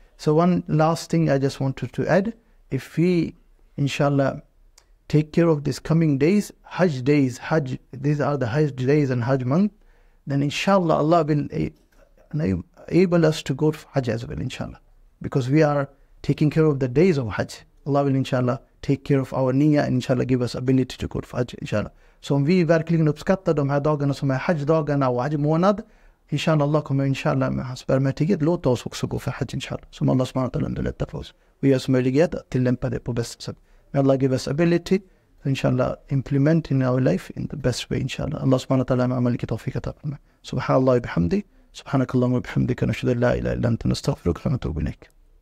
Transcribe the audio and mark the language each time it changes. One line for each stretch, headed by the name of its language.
English: So one last thing I just want to add, if we انشاءاللہ take care of this coming days, حج days, حج, these are the حج days and حج month, then انشاءاللہ اللہ بن نہیں able us to go to Hajj as well, inshallah, because we are taking care of the days of Hajj. Allah will inshallah take care of our niyyah, and inshallah give us ability to go to Hajj, inshallah.
Swedish: So vi verkligen uppskattar de här dagarna som är Hajj dagarna och Hajj månad, inshallah Allah kommer inshallah med hans barmhärtighet låta oss också gå för Hajj, inshallah, som Allah subhanahu wa ta'ala underlättar för oss. Vi har möjlighet att tillämpa det på bästa sätt.
English: May Allah give us ability, inshallah, implement in our life in the best way, inshallah.
Arabic: Allah subhanahu wa ta'ala ma amaliki tawfiqa ta'ala. Subhanallah wa bihamdi. سبحانك اللهم وبحمدك نشهد أن لا إله إلا أنت نستغفرك ونتوب إليك.